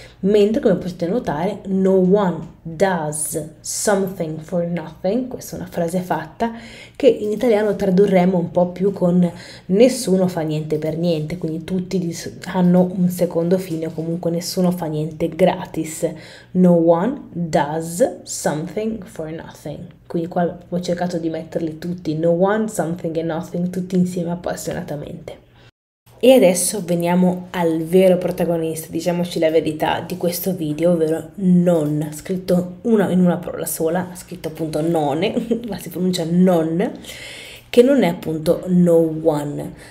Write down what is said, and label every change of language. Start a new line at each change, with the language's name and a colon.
Italian: Mentre, come potete notare,
English: no one does something for nothing,
Italian: questa è una frase fatta, che in italiano tradurremo un po' più con nessuno fa niente per niente, quindi tutti hanno un secondo fine o comunque nessuno fa niente gratis.
English: No one does something for nothing.
Italian: Quindi qua ho cercato di metterli tutti, no one, something and nothing, tutti insieme appassionatamente. E adesso veniamo al vero protagonista, diciamoci la verità, di questo video, ovvero non, scritto in una parola sola, scritto appunto none, ma si pronuncia non, che non è appunto no one.